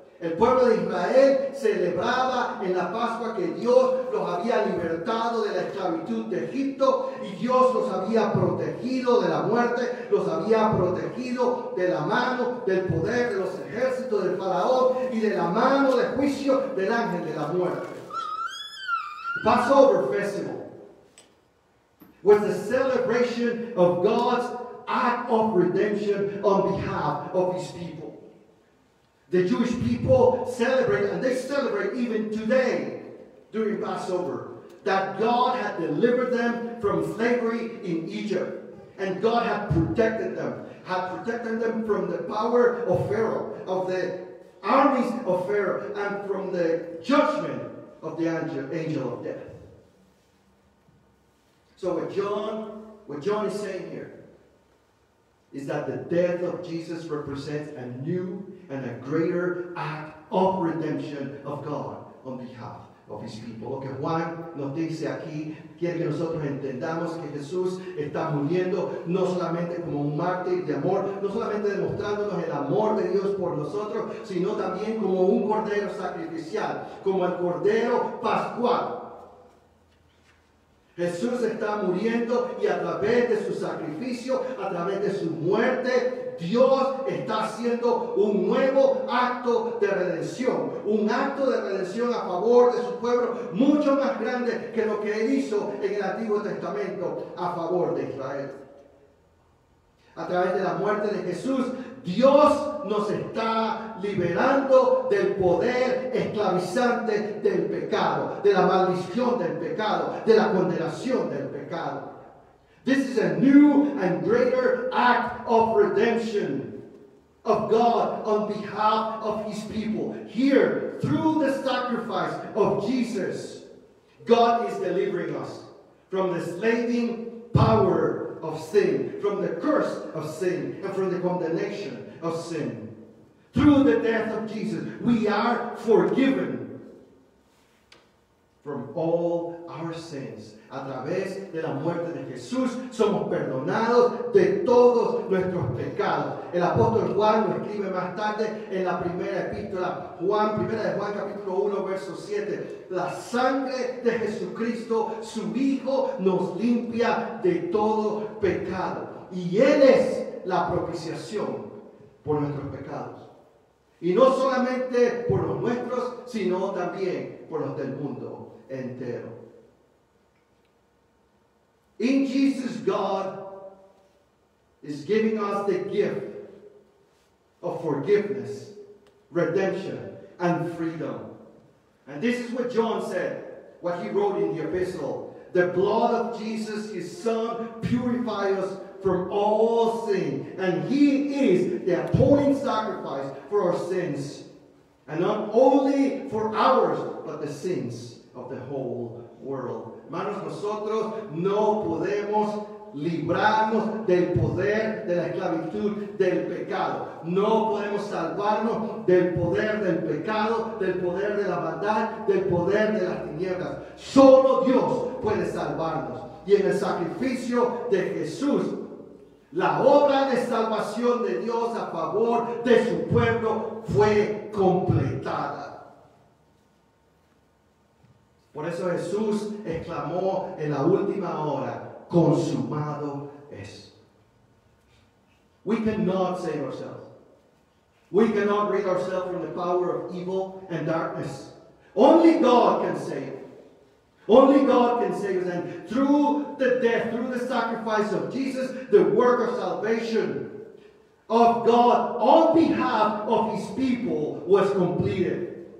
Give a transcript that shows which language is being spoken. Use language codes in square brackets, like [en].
[es] El pueblo de Israel celebraba en la Pascua que Dios los había libertado de la esclavitud de Egipto y Dios los había protegido de la muerte, los había protegido de la mano del poder de los ejércitos del faraón y de la mano del juicio del ángel de la muerte. [en] Passover Festival was the celebration of God's act of redemption on behalf of his people. The Jewish people celebrate, and they celebrate even today during Passover, that God had delivered them from slavery in Egypt. And God had protected them from the power of Pharaoh, of the armies of Pharaoh, and from the judgment of the angel of death. So what John is saying here is that the death of Jesus represents a new and a greater act of redemption of God on behalf of his people. [es] Lo que Juan nos dice aquí, quiere que nosotros entendamos que Jesús está muriendo no solamente como un mártir de amor, no solamente demostrándonos el amor de Dios por nosotros, sino también como un cordero sacrificial, como el cordero pascual. Jesús está muriendo y a través de su sacrificio, a través de su muerte, Dios está haciendo un nuevo acto de redención. Un acto de redención a favor de su pueblo, mucho más grande que lo que él hizo en el Antiguo Testamento a favor de Israel. a través de la muerte de Jesús, Dios nos está liberando del poder esclavizante del pecado, de la maldición del pecado, de la condenación del pecado. [en] This is a new and greater act of redemption of God on behalf of his people. Here, through the sacrifice of Jesus, God is delivering us from the slaving power of sin, from the curse of sin, and from the condemnation of sin. Through the death of Jesus, we are forgiven from all our sins. [es] A través de la muerte de Jesús, somos perdonados de todos nuestros pecados. El apóstol Juan lo escribe más tarde en la primera epístola, Juan, primera de Juan, capítulo 1, verso 7. La sangre de Jesucristo, su Hijo, nos limpia de todo pecado. Y Él es la propiciación por nuestros pecados. Y no solamente por los nuestros, sino también por los del mundo entero. [en] In Jesus, God is giving us the gift of forgiveness, redemption, and freedom. And this is what John said, what he wrote in the epistle. The blood of Jesus, his son, purifies us from all sin. And he is the atoning sacrifice for our sins. And not only for ours, but the sins of the whole world. [es] Hermanos, nosotros no podemos librarnos del poder de la esclavitud del pecado. No podemos salvarnos del poder del pecado, del poder de la maldad, del poder de las tinieblas. Solo Dios puede salvarnos. Y en el sacrificio de Jesús, la obra de salvación de Dios a favor de su pueblo fue completada. Por eso Jesús exclamó en la última hora, consumado es. [en] We cannot save ourselves. We cannot rid ourselves from the power of evil and darkness. Only God can save. Only God can save us. And through the death, through the sacrifice of Jesus, the work of salvation of God on behalf of his people was completed.